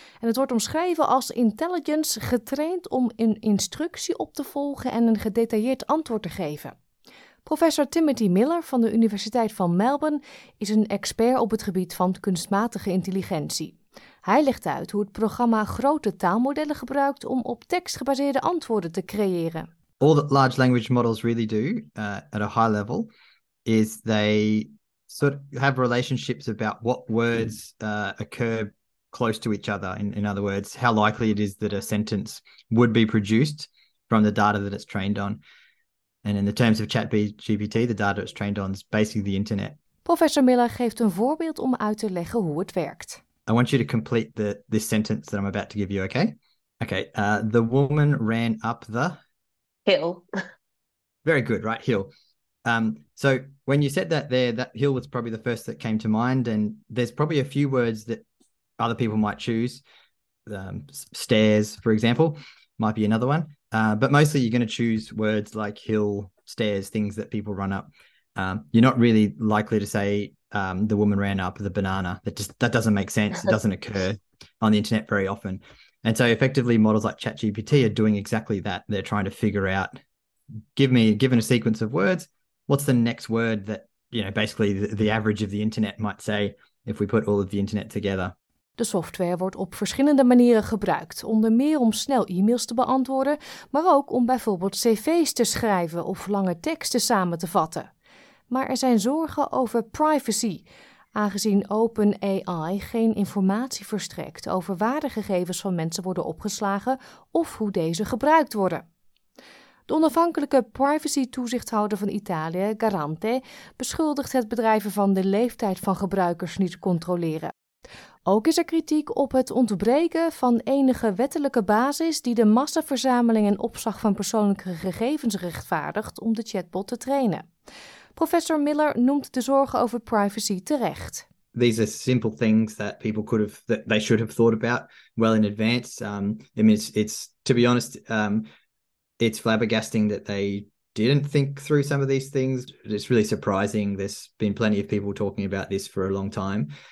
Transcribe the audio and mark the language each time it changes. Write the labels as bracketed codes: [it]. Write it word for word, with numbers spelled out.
[nl] En het wordt omschreven als intelligence, getraind om een instructie op te volgen en een gedetailleerd antwoord te geven. Professor Timothy Miller van de Universiteit van Melbourne is een expert op het gebied van kunstmatige intelligentie. Hij legt uit hoe het programma grote taalmodellen gebruikt om op tekst gebaseerde antwoorden te creëren. [en] All that large language models really do, uh, at a high level, is they sort of have relationships about what words uh, occur close to each other. In, in other words, how likely it is that a sentence would be produced from the data that it's trained on. [nl] En in de termen van [en] ChatGPT, de data is trained on is basically the internet. [nl] Professor Miller geeft een voorbeeld om uit te leggen hoe het werkt. [en] I want you to complete the, this sentence that I'm about to give you, okay? Okay, uh, the woman ran up the... hill. Very good, right? Hill. Um, so when you said that there, that hill was probably the first that came to mind. And there's probably a few words that other people might choose. Um, stairs, for example, might be another one. Uh, but mostly you're going to choose words like hill, stairs, things that people run up. Um, you're not really likely to say um, the woman ran up the banana. That just that doesn't make sense. It doesn't occur on the internet very often. And so effectively models like ChatGPT are doing exactly that. They're trying to figure out, give me, given a sequence of words, what's the next word that, you know, basically the, the average of the internet might say if we put all of the internet together. [nl] De software wordt op verschillende manieren gebruikt, onder meer om snel e-mails te beantwoorden, maar ook om bijvoorbeeld cv's te schrijven of lange teksten samen te vatten. Maar er zijn zorgen over privacy, aangezien OpenAI geen informatie verstrekt over waar de gegevens van mensen worden opgeslagen of hoe deze gebruikt worden. De onafhankelijke privacy-toezichthouder van Italië, Garante, beschuldigt het bedrijf van de leeftijd van gebruikers niet te controleren. Ook is er kritiek op het ontbreken van enige wettelijke basis die de massaverzameling en opslag van persoonlijke gegevens rechtvaardigt om de chatbot te trainen. Professor Miller noemt de zorgen over privacy terecht. [en] These are simple things that people could have, that they should have thought about well in advance. Um, I mean, it's, it's to be honest, um, it's flabbergasting that they didn't think through some of these things. It's really surprising. There's been plenty of people talking about this for a long time.